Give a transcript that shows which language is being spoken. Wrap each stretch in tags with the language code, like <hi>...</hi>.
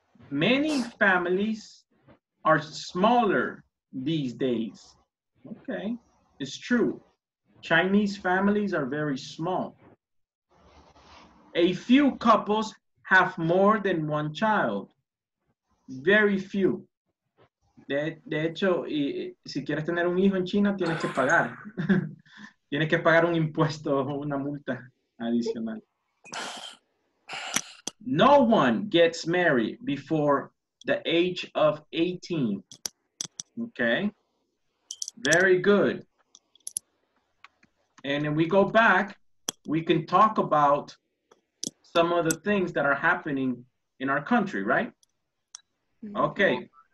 <en>Many families are smaller these days. Okay, it's true. Chinese families are very small. A few couples have more than one child. Very few.</en> <es>De hecho, si quieres tener un hijo en China, tienes que pagar. Tienes que pagar un impuesto o una multa adicional.</es> <en>No one gets married before the age of 18. Okay. Very good. And then we go back, we can talk about some of the things that are happening in our country, right? Okay.</en>